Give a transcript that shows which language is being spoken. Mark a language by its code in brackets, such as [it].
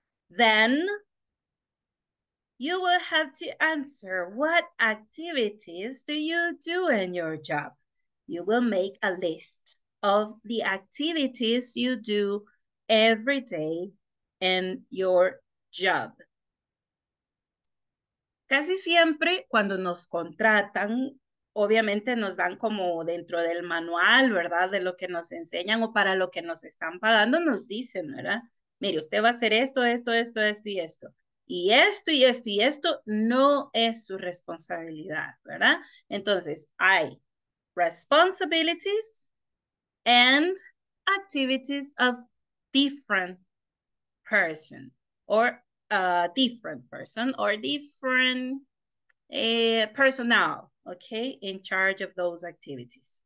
[en] Then you will have to answer, what activities do you do in your job? You will make a list of the activities you do every day in your job. [es] Casi siempre cuando nos contratan, obviamente nos dan como dentro del manual, ¿verdad? De lo que nos enseñan o para lo que nos están pagando, nos dicen, ¿verdad? Mire, usted va a hacer esto, esto, esto, esto y esto. Y esto y esto y esto no es su responsabilidad, ¿verdad? Entonces, hay [en] responsibilities and activities of different person or personnel, okay, in charge of those activities.